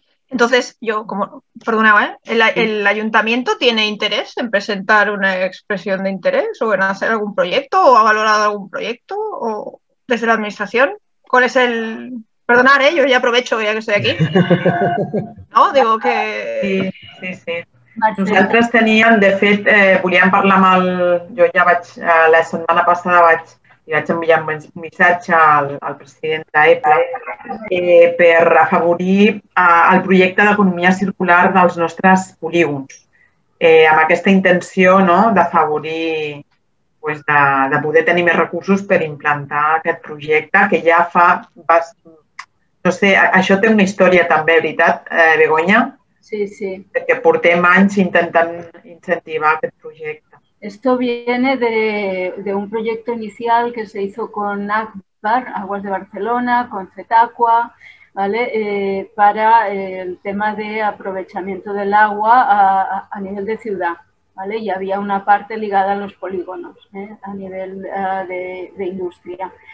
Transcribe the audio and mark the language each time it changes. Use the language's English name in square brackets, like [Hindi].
[Spanish] Entonces, yo, como, perdonaba, ¿eh? ¿El ayuntamiento tiene interés en presentar una expresión de interés o en hacer algún proyecto o ha valorado algún proyecto o desde la administración? ¿Cuál es el...? Perdonad, ¿eh? Yo ya aprovecho ya que estoy aquí. No, digo que... Sí, sí, sí. [Catalan] Nosaltres teníem, de fet, volíem parlar amb el... Jo ja vaig, la setmana passada vaig enviar un missatge al president d'EPA per afavorir el projecte d'economia circular dels nostres polígons, amb aquesta intenció, no, d'afavorir, pues, de poder tenir més recursos per implantar aquest projecte que ja fa... No sé, això té una història també, veritat, Begoña? Sí, sí. Perquè portem anys intentant incentivar aquest projecte. [Spanish] Esto viene de un proyecto inicial que se hizo con ACBAR, Aguas de Barcelona, con CETACUA, ¿vale? Para el tema de aprovechamiento del agua a nivel de ciudad, ¿vale? Y había una parte ligada a los polígonos, ¿eh? A nivel de industria.